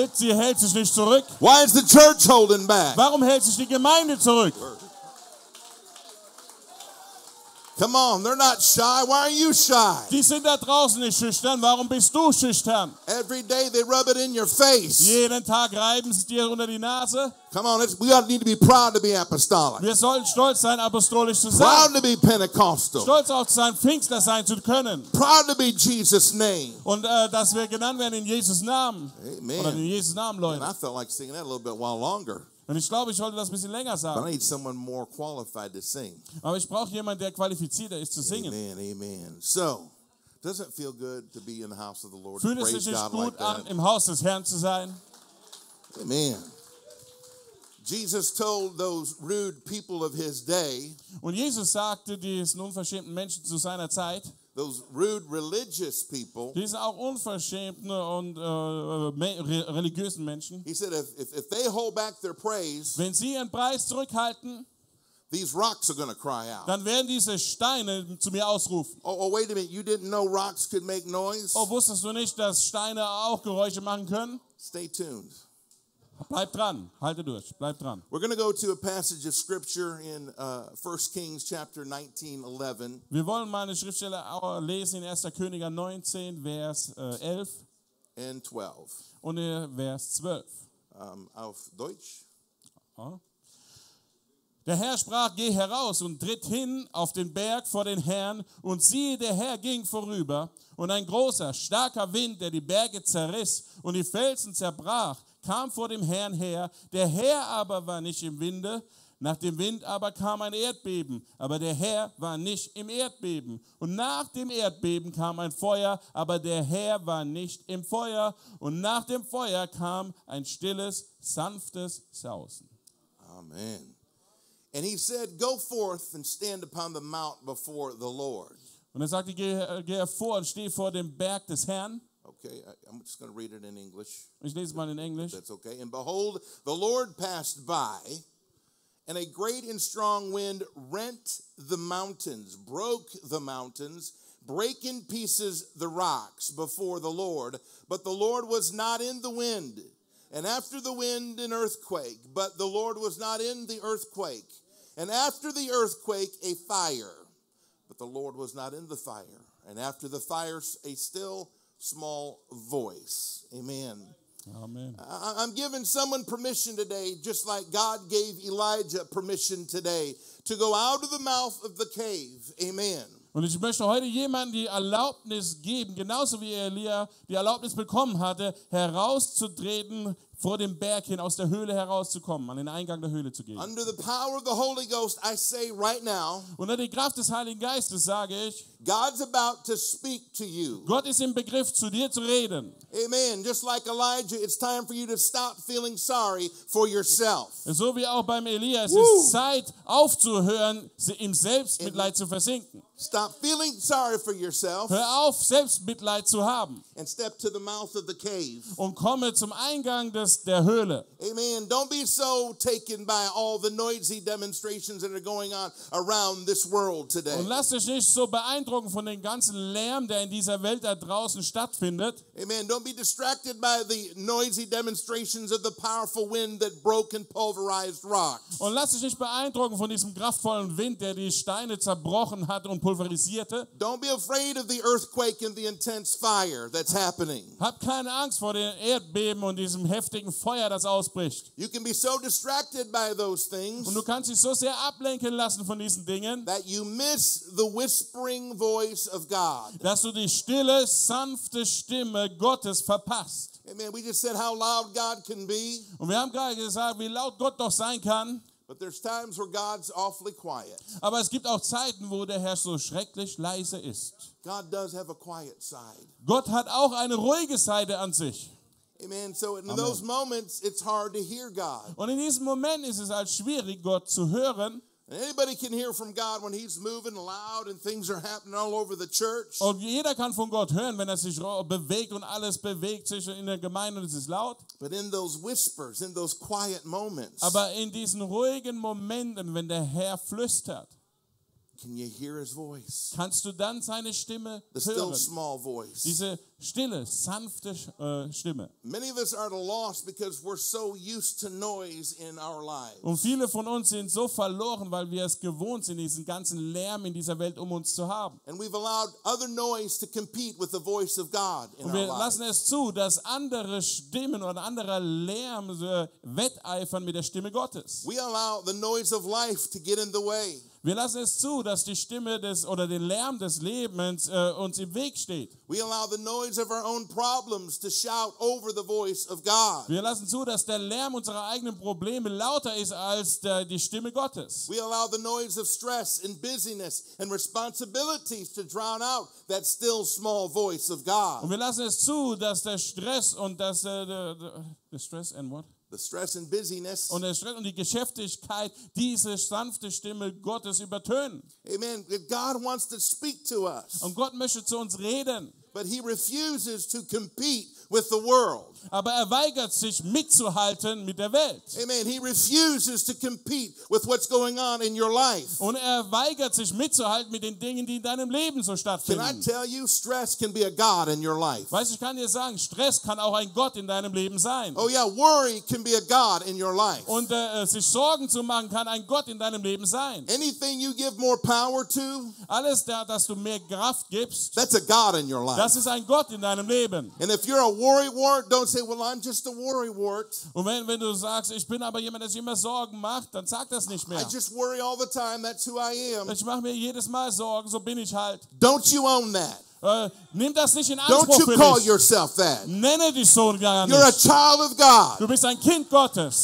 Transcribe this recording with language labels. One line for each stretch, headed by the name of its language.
German: Welt, sie hält sich nicht zurück.
English: Why is the church holding back?
German: Warum hält sich die Gemeinde zurück?
English: Come on, they're not shy. Why are you shy?
German: Die sind da draußen nicht schüchtern. Warum bist du schüchtern?
English: Every day they rub it in your face.
German: Jeden Tag reiben sie dir unter die Nase.
English: Come on, we ought need to be proud to be apostolic.
German: Wir sollten stolz sein, apostolisch zu sein.
English: Proud to be Pentecostal.
German: Stolz auch zu sein, Pfingstler sein zu können.
English: Proud to be Jesus' name.
German: Und dass wir genannt werden in Jesus' Namen. Amen. Oder in Jesus' Namen, Leute.
English: And I felt like singing that a little bit while longer.
German: Und ich glaube, ich sollte das ein bisschen länger sagen.
English: But I need someone more qualified to sing.
German: Aber ich brauche jemanden, der qualifizierter ist zu singen. Amen, amen.
English: So, does it feel good to be in the house of the Lord?
German: Fühlt es sich gut an, im Haus des Herrn zu sein? Amen.
English: Jesus told those rude people of his day.
German: Und Jesus sagte diesen unverschämten Menschen zu seiner Zeit.
English: Those rude religious people.
German: Diese auch unverschämten und religiösen Menschen.
English: He said, if they hold back their praise,
German: wenn sie ihren Preis zurückhalten,
English: these rocks are going to cry out.
German: Dann werden diese Steine zu mir ausrufen.
English: Oh, wait a minute! You didn't know rocks could make noise?
German: Oh, wusstest du nicht, dass Steine auch Geräusche machen können?
English: Stay tuned.
German: Bleib dran. Halte durch. Bleib dran.
English: We're going to go to a passage of scripture in 1 Kings chapter 19, 11.
German: Wir wollen mal eine Schriftstelle lesen in 1. Könige 19, Vers 11.
English: And 12.
German: Und Vers 12. Auf Deutsch. Der Herr sprach, geh heraus und tritt hin auf den Berg vor den Herrn. Und siehe, der Herr ging vorüber. Und ein großer, starker Wind, der die Berge zerriss und die Felsen zerbrach, kam vor dem Herrn her. Der Herr aber war nicht im Winde. Nach dem Wind aber kam ein Erdbeben. Aber der Herr war nicht im Erdbeben. Und nach dem Erdbeben kam ein Feuer. Aber der Herr war nicht im Feuer. Und nach dem Feuer kam ein stilles, sanftes Sausen. Amen.
English: And he said, go forth and stand upon the mount before the Lord.
German: Und sagte, geh hervor und steh vor dem Berg des Herrn.
English: Okay, I'm just going to read it in English.
German: Ich lese mal in Englisch.
English: That's okay. And behold, the Lord passed by, and a great and strong wind rent the mountains, broke the mountains, break in pieces the rocks before the Lord. But the Lord was not in the wind. And after the wind, an earthquake. But the Lord was not in the earthquake. And after the earthquake, a fire. But the Lord was not in the fire. And after the fire, a still, small voice. Amen. Amen. I'm giving someone permission today, just like God gave Elijah permission today, to go out of the mouth of the cave. Amen.
German: Und ich möchte heute jemandem die Erlaubnis geben, genauso wie Elia die Erlaubnis bekommen hatte, herauszutreten, vor dem Berg hin, aus der Höhle herauszukommen, an den Eingang der Höhle zu gehen.
English: Under the power of the Holy Ghost, I say right now,
German: unter der Kraft des Heiligen Geistes sage ich,
English: God's about to speak to you.
German: Gott ist im Begriff, zu dir zu reden. Amen.
English: Just like Elijah, it's time for you to stop feeling sorry for yourself.
German: So wie auch beim Elia, es Woo. Ist Zeit aufzuhören, im Selbstmitleid zu versinken.
English: Stop feeling sorry for yourself.
German: Hör auf, Selbstmitleid zu haben.
English: And step to the mouth of the cave.
German: Und komme zum Eingang der Höhle. Amen.
English: Don't be so taken by all the noisy demonstrations that are going on around this world today.
German: Und lass dich nicht so beeindrucken von dem ganzen Lärm, der in dieser Welt da draußen stattfindet. Amen.
English: Don't be distracted by the noisy demonstrations of the powerful wind that broke and pulverized rocks.
German: Und lass dich nicht beeindrucken von diesem kraftvollen Wind, der die Steine zerbrochen hat und pulverisierte.
English: Don't be afraid of the earthquake and the intense fire that's happening.
German: Hab keine Angst vor den Erdbeben und diesem heftigen Feuer, das ausbricht.
English: You can be so distracted by those things,
German: und du kannst dich so sehr ablenken lassen von diesen Dingen,
English: that you miss the whispering voice of God.
German: Dass du die stille, sanfte Stimme Gottes verpasst. Amen.
English: We just said how loud God can be.
German: Und wir haben gerade gesagt, wie laut Gott doch sein kann.
English: But there's times where God's awfully quiet.
German: Aber es gibt auch Zeiten, wo der Herr so schrecklich leise ist.
English: God does have a quiet side.
German: Gott hat auch eine ruhige Seite an sich.
English: Amen. So in Amen. Those moments, it's hard to hear God.
German: Und in diesem Moment ist es halt schwierig, Gott zu hören.
English: Anybody can hear from God when He's moving loud and things are happening all over the church.
German: Und jeder kann von Gott hören, wenn er sich bewegt und alles bewegt sich in der Gemeinde und es ist laut.
English: But in those whispers, in those quiet moments.
German: Aber in diesen ruhigen Momenten, wenn der Herr flüstert.
English: Can you hear His voice?
German: Kannst du dann seine Stimme
English: the
German: hören?
English: Still small voice.
German: Diese stille, sanfte Stimme.
English: Many of us are at a loss because we're so used to noise in our lives.
German: Und viele von uns sind so verloren, weil wir es gewohnt sind, diesen ganzen Lärm in dieser Welt um uns zu haben.
English: And we've allowed other noise to compete with the voice of God in our lives.
German: Und wir lassen es zu, dass andere Stimmen oder anderer Lärm wetteifern mit der Stimme Gottes.
English: We allow the noise of life to get in the way.
German: Wir lassen es zu, dass die Stimme des oder den Lärm des Lebens uns im Weg steht.
English: We allow the noise of our own problems to shout over the voice of God.
German: Wir lassen zu, dass der Lärm unserer eigenen Probleme lauter ist als die Stimme Gottes.
English: We allow the noise of stress and busyness and responsibilities to drown out that still small voice of God.
German: Und wir lassen es zu, dass der Stress und dass der Stress
English: and what? The stress and busyness.
German: Und der Stress und die Geschäftigkeit, diese sanfte Stimme Gottes übertönen.
English: Amen. God wants to speak to us.
German: Und Gott möchte zu uns reden.
English: But He refuses to compete with the world.
German: Aber er weigert sich mitzuhalten mit der Welt. Amen.
English: He refuses to compete with what's going on in your life.
German: Und er weigert sich mitzuhalten mit den Dingen, die in deinem Leben so stattfinden.
English: Can I tell you, stress can be a god in your life.
German: Weißt, ich kann dir sagen, Stress kann auch ein Gott in deinem Leben sein.
English: Oh yeah, worry can be a god in your life.
German: Und sich Sorgen zu machen kann ein Gott in deinem Leben sein.
English: Anything you give more power to,
German: alles da, dass du mehr Kraft gibst,
English: that's a god in your life.
German: Das ist ein Gott in deinem Leben.
English: And if you're a worrywart, don't say, well, I'm just a worrywart.
German: Und wenn du sagst, ich bin aber jemand, der immer Sorgen macht, dann sag das nicht mehr.
English: I just worry all the time. That's who I am.
German: Ich mache mir jedes Mal Sorgen, so bin ich halt.
English: Don't you own that?
German: Nimm das nicht in Anspruch.
English: Don't you call
German: dich.
English: Yourself that?
German: Nenne dich so gar nicht.
English: You're a child of God.
German: Du bist ein Kind Gottes.